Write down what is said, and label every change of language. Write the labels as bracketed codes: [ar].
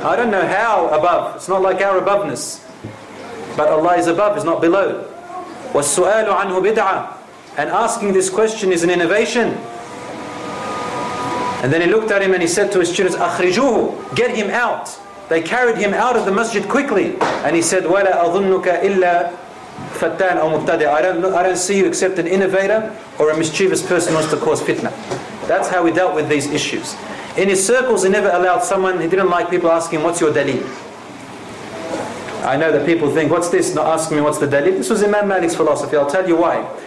[en] I don't know how above. It's not like our aboveness. But Allah is above, is not below. [ar] وَالسُّؤَالُ عَنْهُ بِدْعَةً. [en] And asking this question is an innovation. And then he looked at him and he said to his students, [ar] أَخْرِجُوهُ. [en] Get him out. They carried him out of the masjid quickly. And he said, [ar] وَلَا أَظُنُّكَ إِلَّا فَتَّانَ أَوْ مُبْتَدِعَ. [en] I don't see you except an innovator or a mischievous person who wants to cause fitna. That's how we dealt with these issues. In his circles, he never allowed someone, he didn't like people asking him, "What's your dalil?" I know that people think, "What's this? Not asking me what's the dalil?" This was Imam Malik's philosophy. I'll tell you why.